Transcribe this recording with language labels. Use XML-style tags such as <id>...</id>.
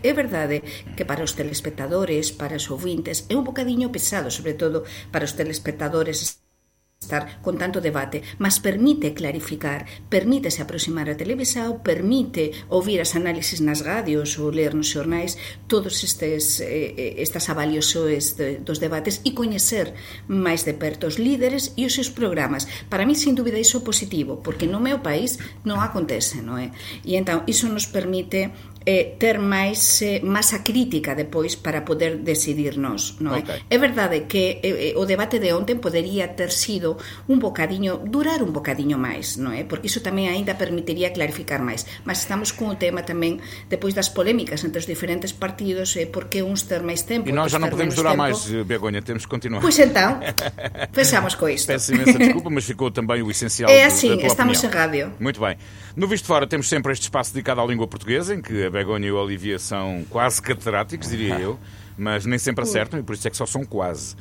<gl>É verdade que para os telespectadores, para os ouvintes, é un bocadinho pesado, sobre todo para os telespectadores, estar con tanto debate, mas permite clarificar, permite se aproximar a televisão, permite ouvir as análises nas rádios ou ler nos xornais todos estas avaliações dos debates e conhecer mais de perto os líderes e os seus programas.</gl> <pt>Para mim, sem dúvida, isso é positivo, porque no meu país não acontece, não é? E então, isso nos permite</pt> <gl>ter máis masa crítica depois para poder decidirnos, non é? Okay. É verdade que o debate de ontem poderia ter sido un bocadiño, durar un bocadiño máis, non é? Porque iso tamén aínda permitiría clarificar máis, mas estamos con o tema tamén depois das polémicas entre os diferentes partidos, por que uns ter máis tempo.</gl> <pt>E nós já não podemos durar mais, Begonha, temos que continuar. Pois então, fechamos com isto. Peço imensa desculpa, mas ficou também o essencial. É assim, estamos opinião. Em rádio. Muito bem. No Visto Fora temos sempre este espaço dedicado à língua portuguesa, em que a Begonha e o Olivia são quase catedráticos, diria eu, mas nem sempre acertam, e por isso é que só são quase.</pt>